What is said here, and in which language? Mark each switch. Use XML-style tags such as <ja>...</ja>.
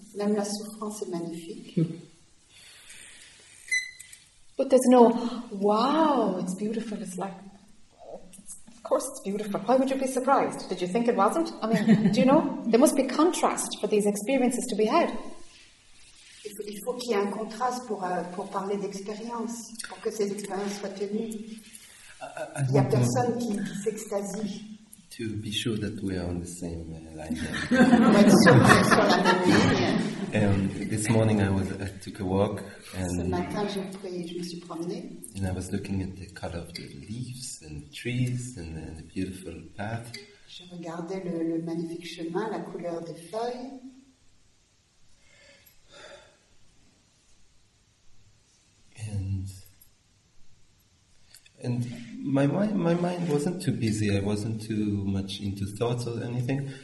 <fr>Même la souffrance est magnifique.</fr> <en>But there's no, wow, it's beautiful. It's like, of course it's beautiful. Why would you be surprised? Did you think it wasn't? I mean, do you know? There must be contrast for these experiences to be had.</en> <fr>Il faut qu'il y ait un contraste pour parler d'expérience, pour que ces expériences soient tenues. Il n'y a personne qui s'extasie.</fr> <en>To be sure that we are on the same line. This morning I took a walk and I was looking at the color of the leaves and the trees and the beautiful path.</en> <fr>Je regardais le magnifique chemin, la couleur des feuilles.</fr> <en>And my mind wasn't too busy. I wasn't too much into thoughts or anything.</en>